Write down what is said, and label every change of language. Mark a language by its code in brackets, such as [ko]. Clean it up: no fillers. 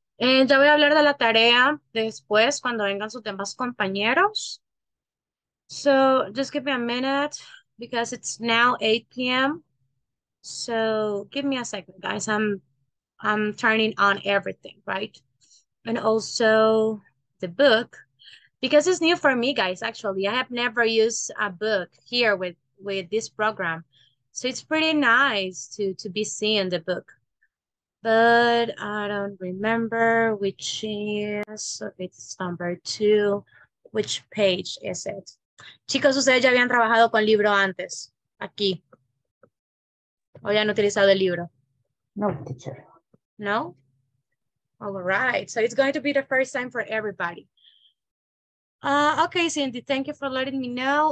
[es] Ya voy a hablar de la tarea después cuando vengan sus demás compañeros. [en] So just give me a minute because it's now 8 p.m. So give me a second, guys. I'm turning on everything, right? And also the book, because it's new for me, guys. Actually, I have never used a book here with this program, so it's pretty nice to be seeing the book. But I don't remember which is, it's number two, which page is it? [es] Chicos, ustedes ya habían trabajado con libro antes aquí, o ya han utilizado el libro? [en] No, teacher. No. All right, so it's going to be the first time for everybody. Okay, Cindy, thank you for letting me know.